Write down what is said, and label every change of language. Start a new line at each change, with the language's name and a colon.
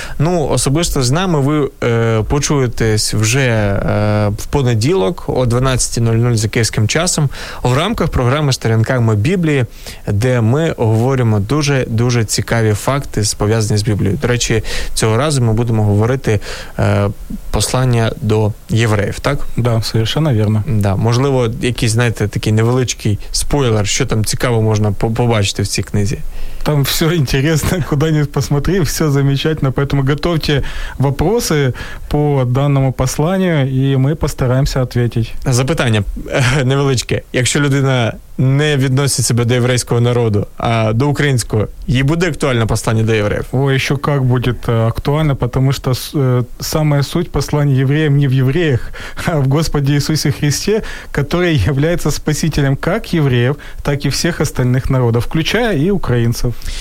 Ukrainian: Ну, особисто з нами ви почуєтесь вже в понеділок о 12.00 за київським часом в рамках програми «Сторінками Біблії», де ми говоримо дуже-дуже цікаві факти, пов'язані з Біблією. До речі, цього разу ми будемо говорити послання до євреїв, так? Так,
Russian: да, совершенно
Ukrainian: вірно.
Russian: Да.
Ukrainian: Можливо, якийсь, знаєте, такий невеличкий спойлер, що там цікаво можна побачити в цій книзі.
Russian: Там все интересно, куда ни посмотри, все замечательно. Поэтому готовьте вопросы по данному посланию, и мы постараемся ответить.
Ukrainian: Запитання невеличке. Якщо людина не відносить себе до єврейського народу, а до українського, їй буде актуальне послання до євреїв? О, ще як буде актуально, тому що саме суть послання євреям не в євреях, а в Господі Ісусі Христі, який є спасителем як євреїв, так і всіх остальних народів, включая і українців.